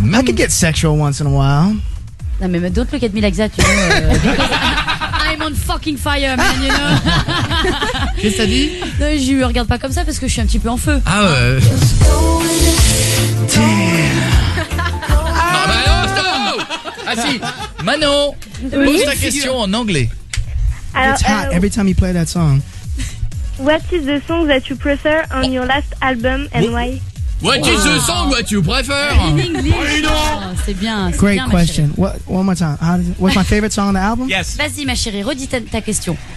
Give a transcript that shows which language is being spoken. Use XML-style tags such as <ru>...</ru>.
<en>I could get sexual once in a while.</en> <fr>Non mais</fr> <en>don't look at me like that, you know. I'm on fucking fire, man, you know.</en> <fr>Qu'est-ce que t'as dit? Non, je me regarde pas comme ça parce que je suis un petit peu en feu. Ah ouais. Non, bah non, stop. Ah si, Manon, pose ta question en anglais.</fr> <en>It's hot every time you play that song. What is the song that you prefer on your last album and why? What is the song that you prefer? In English.</en> <fr>C'est bien. C'est</fr> <en>great</en> <fr>bien,</fr> <en>question. One more time. What's my favorite song on the album? Yes.</en> <fr>Vas-y, ma chérie, redis ta question.</fr>